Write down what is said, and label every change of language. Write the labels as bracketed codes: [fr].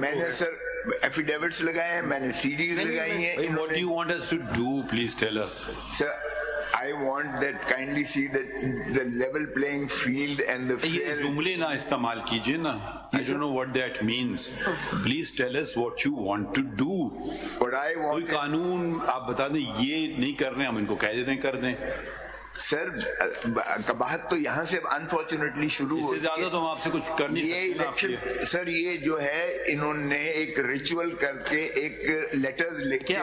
[ur] Maine sir affidavits لگائے ہیں, میں نے سی ڈیز لگائی ہیں. [en] What do you want us to do? Please tell us. Sir, I want that kindly see that the level playing field and the fair... [ur] یہ جملے نہ استعمال کیجئے نا. [en] I don't know what that means. Please tell us what you want to do. What I want... [ur] کوئی قانون آپ بتا دیں, یہ نہیں کر رہے ہم, ان کو کہہ دیتے ہیں کر دیں. سر, کباہت تو یہاں سے [en] unfortunately [ur] شروع ہو, زیادہ تو ہم آپ سے کچھ کر نہیں سکتے. سر, یہ جو ہے انہوں نے ایک ریچول کر کے ایک لیٹرز لکھے.